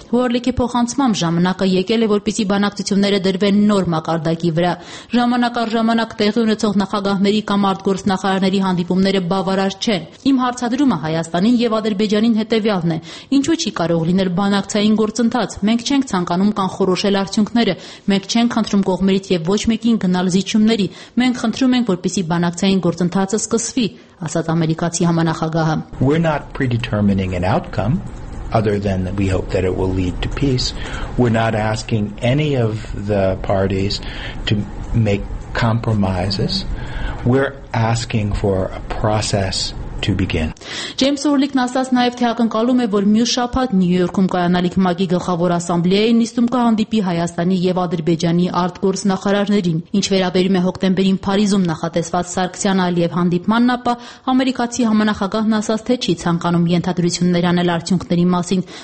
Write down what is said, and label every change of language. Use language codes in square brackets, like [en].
[hy] Ուորլիկի փոխանցումը ժամանակը եկել է, որպեսզի բանակցությունները դրվեն նոր մակարդակի վրա։ Ժամանակ առ ժամանակ տեղի ունեցող նախագահների կամ արտգործնախարարների հանդիպումները բավարար չեն։ Իմ հարցադրումը Հայաստանին և Ադրբեջանին հետևյալն է. ինչու չի կարող լինել բանակցային գործընթաց։ Մենք չենք ցանկանում կան խորոշել արդյունքները, մենք չենք խնդրում կողմերից և ոչ մեկին գնալ զիջումների, մենք խնդրում ենք, որպեսզի բանակցային գործընթացը սկսվի, ասաց ամերիկացի համանախագահը։ [en] We're not predetermining an outcome other than that we hope that it will lead to peace. We're not asking any of the parties to make compromises. We're asking for a process to begin. [hy] Ջեյմս Ուորլիքն ասաց նաև, թե ակնկալում է, որ մյուս շաբաթ Նյու Յորքում կայանալիք ՄԱԿ-ի գլխավոր ասամբլեայի նիստում կհանդիպի Հայաստանի և Ադրբեջանի արտգործ նախարարներին։ Ինչ վերաբերում է հոկտեմբերին Փարիզում նախատեսված սարկցիան Ալիև հանդիպմանն, ապա ամերիկացի համանախագահն ասաց, թե չի ցանկանում ենթադրություններ անել արդյունքների մասին,